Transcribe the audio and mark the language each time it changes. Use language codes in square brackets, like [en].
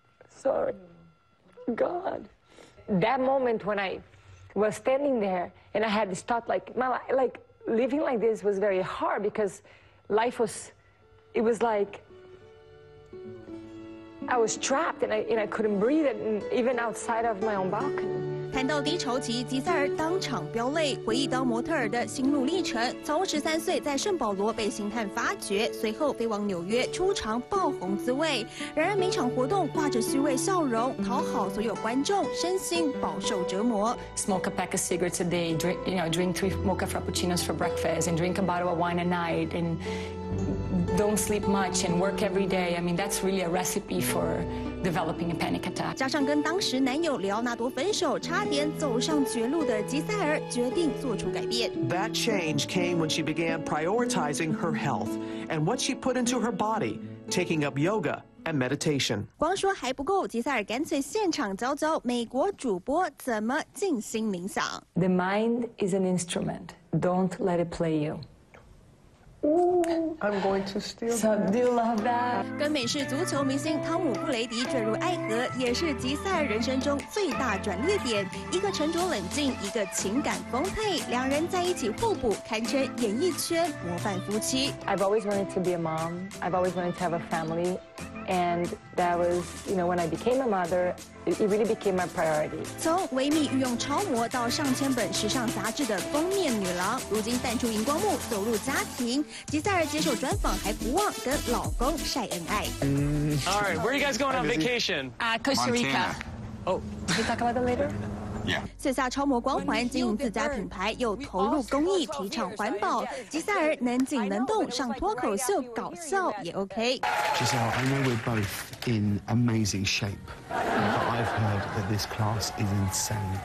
[en] Sorry, God. That moment when I was standing there and I had this thought, like my life, like living like this was very hard because life was, it was like. I was trapped and I couldn't breathe even outside of my own balcony. [zh] 谈到低潮期，吉塞尔当场飙泪，回忆当模特儿的心路历程。从13岁在圣保罗被星探发掘，随后飞往纽约出场爆红滋味。然而每场活动挂着虚伪笑容，讨好所有观众，身心饱受折磨。 [en] Smoke a pack of cigarettes a day, drink 3 mocha frappuccinos for breakfast, and drink a bottle of wine a night, and. Don't sleep much and work every day. I mean, that's really a recipe for developing a panic attack. [zh] 加上跟当时男友里奥纳多分手，差点走上绝路的吉塞尔决定做出改变。 [en] That change came when she began prioritizing her health and what she put into her body, taking up yoga. And meditation. [zh] 光说还不够，吉塞尔干脆现场教教美国主播怎么静心冥想。 [en] The mind is an instrument. Don't let it play you. Ooh, I'm going to steal that. [zh] 跟美式足球明星汤姆布雷迪坠入爱河，也是吉塞尔人生中最大转捩点。一个沉着冷静，一个情感丰沛，两人在一起互补，堪称演艺圈模范夫妻。 [en] I've always wanted to be a mom. I've always wanted to have a family, and that was, you know, when I became a mother. It really became my priority. [zh] 从维密御用超模到上千本时尚杂志的封面女郎，如今淡出荧光幕，走入家庭。吉塞尔接受专访还不忘跟老公晒恩爱。 [en] All right, where are you guys going on vacation? Costa Rica. Montana. Oh, can we talk about that later? [zh] 卸下超模光环，经营自家品牌，又投入公益，提倡环保。吉塞尔能静能动，上脱口秀搞笑也 OK。 [en] Giselle, I know we're both in amazing shape, but I've heard that this class is insane.